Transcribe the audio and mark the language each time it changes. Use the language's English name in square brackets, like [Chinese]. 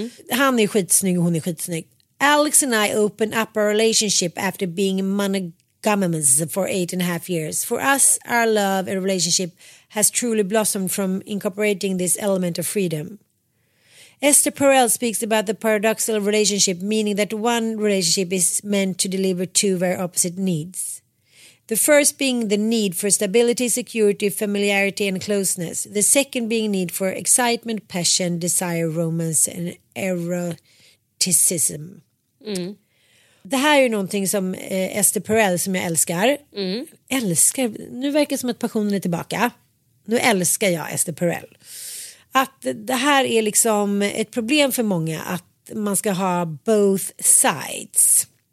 [Swedish] Han är skitsnygg och hon är skitsnygg. [English] Alex and I opened up our relationship after being monogamous for 8.5 years. For us, our love and relationship has truly blossomed from incorporating this element of freedom. Esther Perel speaks about the paradoxical relationship, meaning that one relationship is meant to deliver two very opposite needs. The first being the need for stability, security, familiarity and closeness. The second being need for excitement, passion, desire, romance and eroticism. Mm. [Swedish] Det här är ju någonting som Esther Perel, som jag älskar. Mm. Älskar. Nu verkar som att passionen är tillbaka. Nu älskar jag Esther Perel. Att det här är liksom ett problem för många, att man ska ha [English] both sides.